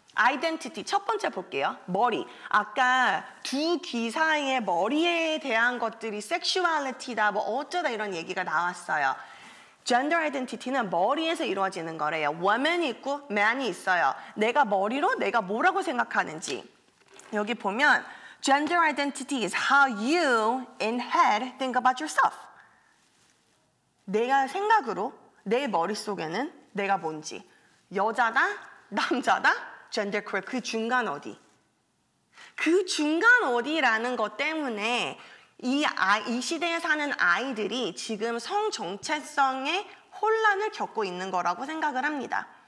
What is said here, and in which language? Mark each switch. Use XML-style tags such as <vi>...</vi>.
<ko>아이덴티티 첫 번째 볼게요. 머리. 아까 두 귀 사이의 머리에 대한 것들이 섹슈얼리티다 뭐 어쩌다 이런 얘기가 나왔어요. 젠더 아이덴티티는 머리에서 이루어지는 거래요. 워맨이 있고 맨이 있어요. 내가 머리로 내가 뭐라고 생각하는지. 여기 보면</ko> <en>Gender identity is how you in head think about yourself.</en> <ko>내가 생각으로 내 머릿속에는 내가 뭔지. 여자다? 남자다? 젠더퀴어 그 중간 어디? 그 중간 어디라는 것 때문에 이 시대에 사는 아이들이 지금 성정체성의 혼란을 겪고 있는 거라고 생각을 합니다.</ko>